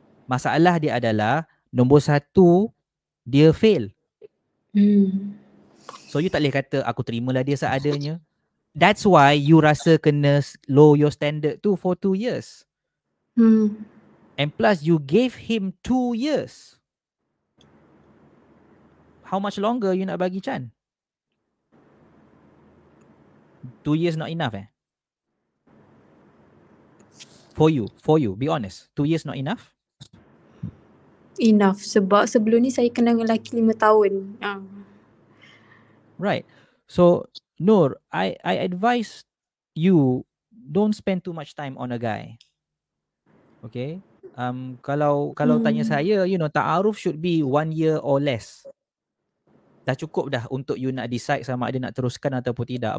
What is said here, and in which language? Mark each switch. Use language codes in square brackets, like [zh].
[ms] Masalah dia adalah nombor 1 dia fail. So you tak boleh kata aku terimalah dia seadanya. [en] That's why you [ms] rasa kena [en] low your standard tu for 2 years. And plus you gave him 2 years. How much longer you [ms] nak bagi [en] Chan? 2 years not enough eh? For you, be honest. 2 years not enough? [ms] Enough, sebab sebelum ni saya kenal lelaki 5 tahun. [en] Right. So, Nur, I advise you don't spend too much time on a guy. Okay? [ms] Kalau tanya saya, you know, [en] ta'aruf should be 1 year or less. [ms] Dah cukup dah untuk you nak decide sama ada nak teruskan ataupun tidak.